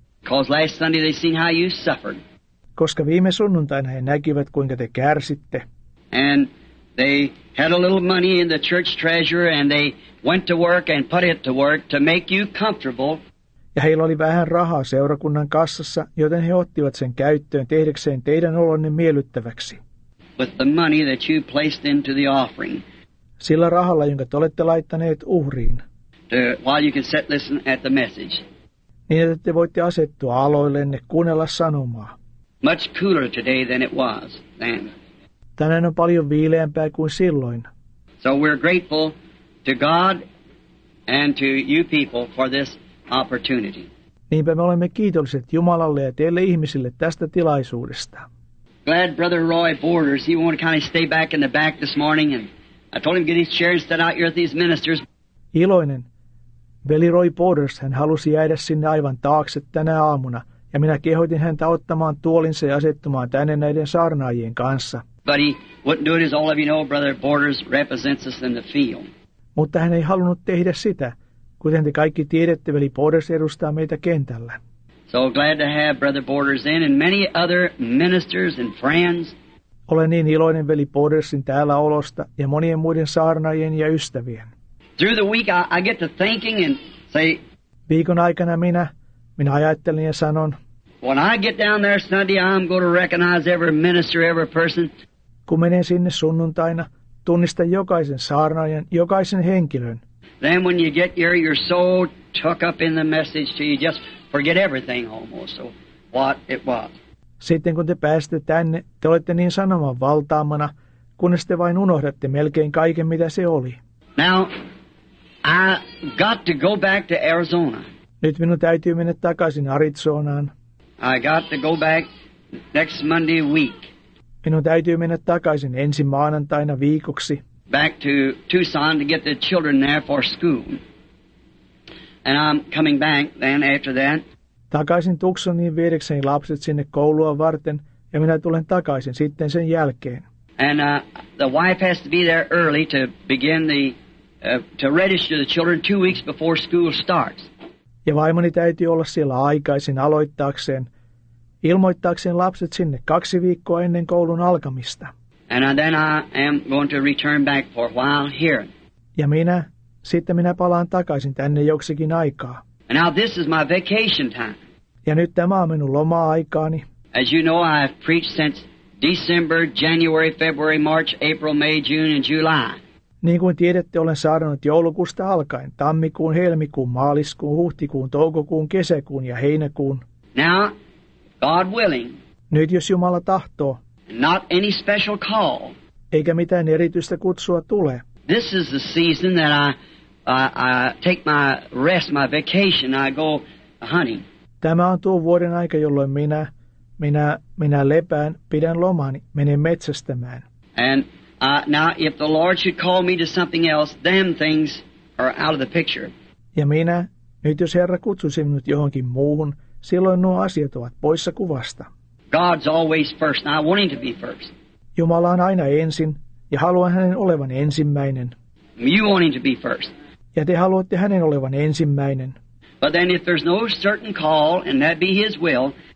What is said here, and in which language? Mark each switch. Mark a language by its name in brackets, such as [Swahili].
[English] Last Sunday they seen how you suffered. [Finnish] Koska viime sunnuntaina he näkivät, kuinka te kärsitte. [English] And they had a little money in the church treasure and they went to work and put it to work to make you comfortable. [Finnish] Ja heillä oli vähän rahaa seurakunnan kassassa, joten he ottivat sen käyttöön tehdäkseen teidän olonne miellyttäväksi. [English] With the money that you placed into the offering. [Finnish] Sillä rahalla, jonka te olette laittaneet uhriin. [English] While you can sit listen at the message. [Finnish] Niin, että te voitte asettua aloillenne kuunnella sanomaa. [English] Much cooler today than it was then. [Finnish] Tänään on paljon viileämpää kuin silloin. [English] So we're grateful to God and to you people for this opportunity. [Finnish] Niinpä me olemme kiitolliset Jumalalle ja teille ihmisille tästä tilaisuudesta. [English] Glad Brother Roy Borders, he wanted to kind of stay back in the back this morning, and I told him to get his chair and sit out here with these ministers. [Finnish] Iloinen. Veli Roy Borders, hän halusi jäädä sinne aivan taakse tänä aamuna, ja minä kehotin häntä ottamaan tuolinsa ja asettumaan tänne näiden saarnaajien kanssa. [English] But he wouldn't do it, as all of you know, Brother Borders represents us in the field. [Finnish] Mutta hän ei halunnut tehdä sitä, kuten te kaikki tiedätte, veli Borders edustaa meitä kentällä. [English] So glad to have Brother Borders in and many other ministers and friends. [Finnish] Olen niin iloinen veli Bordersin täällä olosta ja monien muiden saarnaajien ja ystävien. [English] Through the week I get to thinking and say. [Finnish] Viikon aikana minä ajattelin ja sanon. [English] When I get down there Sunday, I'm going to recognize every minister, every person. [Finnish] Kun menen sinne sunnuntaina, tunnistan jokaisen saarnaajan, jokaisen henkilön. [English] Then when you get here, you're so tuck up in the message, so you just forget everything almost. So what it was. [Finnish] Sitten kun te pääsette tänne, te olette niin sanoman valtaamana, kunnes te vain unohdatte melkein kaiken, mitä se oli. [English] Now, I got to go back to Arizona. [Finnish] Nyt minun täytyy mennä takaisin Arizonaan. [English] I got to go back next Monday week. [Finnish] Minun täytyy mennä takaisin ensi maanantaina viikoksi. [English] Back to Tucson to get the children there for school. And I'm coming back then after that. [Finnish] Takaisin Tucsoniin viedekseni lapset sinne koulua varten, ja minä tulen takaisin sitten sen jälkeen. [English] And the wife has to be there early to begin the to register the children 2 weeks before school starts. [Finnish] Ja vaimoni täytyy olla siellä aikaisin ilmoittaakseen lapset sinne 2 viikkoa ennen koulun alkamista. [English] And then I am going to return back for a while here. [Finnish] Ja sitten minä palaan takaisin tänne joksikin aikaa. [English] And now this is my vacation time. [Finnish] Ja nyt tämä on minun loma-aikaani. [English] As you know, I have preached since December, January, February, March, April, May, June and July. [Finnish] Niin kuin tiedätte, olen saarnannut joulukuusta alkaen, tammikuun, helmikuun, maaliskuun, huhtikuun, toukokuun, kesäkuun ja heinäkuun. [English] Now, God willing. [Finnish] Nyt jos Jumala tahtoo. [English] Not any special call. [Finnish] Eikä mitään erityistä kutsua tule. [English] This is the season that I take my rest, my vacation. I go hunting. [Finnish] Tämä on tuo vuoden aika, jolloin minä lepään, pidän lomani, menen metsästämään. [English] And now, if the Lord should call me to something else, them things are out of the picture. [Finnish] Ja nyt jos Herra kutsuisi minut johonkin muuhun, silloin nuo asiat ovat poissa kuvasta. [English] God's always first, and I want him to be first. [Finnish] Jumala on aina ensin, ja haluan hänen olevan ensimmäinen. [English] You want him to be first. [Finnish] Ja te haluatte hänen olevan ensimmäinen. [English] But then if there's no certain call, and that be his will.